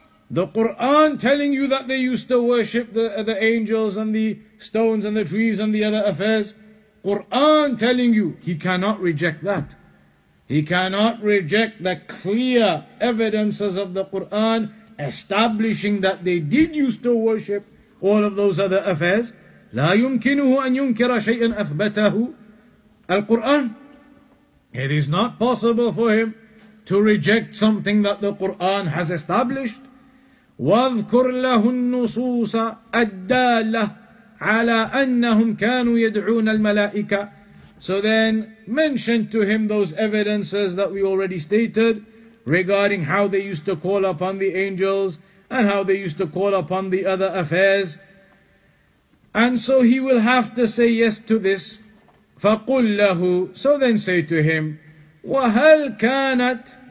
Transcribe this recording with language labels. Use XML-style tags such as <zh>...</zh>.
<en>The Quran telling you that they used to worship the angels and the stones and the trees and the other affairs. Quran telling you, he cannot reject that. He cannot reject the clear evidences of the Quran establishing that they did used to worship all of those other affairs.</en> <ar>لا يمكنه أن ينكر شيئا أثبته القرآن.</ar> <en>It is not possible for him to reject something that the Quran has established.</en> <ar>واذكر له النصوص الدالة على أنهم كانوا يدعون الملائكة.</ar> <en>So then mention to him those evidences that we already stated regarding how they used to call upon the angels and how they used to call upon the other affairs. And so he will have to say yes to this.</en> <ar>فَقُلْ لَهُ.</ar> <en>So then say to him,</en> <ar>وَهَلْ كَانَتْ.</ar>